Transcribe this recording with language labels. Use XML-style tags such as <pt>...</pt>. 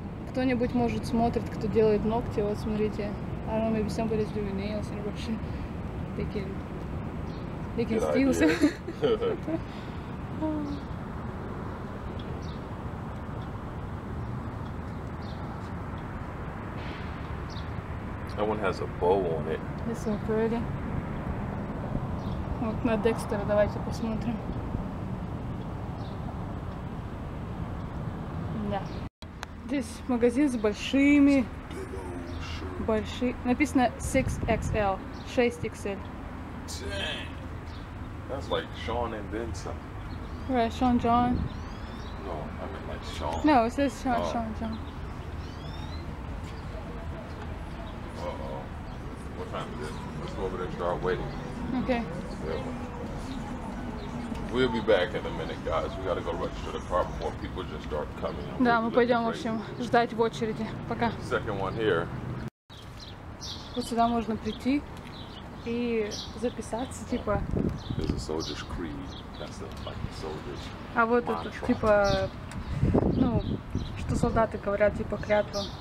<ru>Кто-нибудь может смотрит, кто делает ногти, вот смотрите.</ru> <en>I don't know, maybe somebody's doing nails and вообще they can steal some. That one has a bow on it. It's so pretty.</en> <ru>Вот на Декстера давайте посмотрим. Здесь магазин с большими, большие, написано 6XL, 6XL.</ru> <en>Dang, that's like Sean and Benson. Right, Sean John. No, I mean like Sean. No, it says Sean, Sean John. Uh-oh, what time is it? Let's go over there and start waiting. Okay. We'll be back in a minute, guys. We gotta go register the car before people just start coming.</en> <ru>Да, мы пойдем, в общем, ждать в очереди. Пока.</ru> <en>Second one here.</en> <ru>Вот сюда можно прийти и записаться, типа.</ru> <en>There's a soldier's creed. That's the, like, the soldier's</en> <ru>А вот это, типа, ну, что солдаты говорят, типа, клятва.</ru>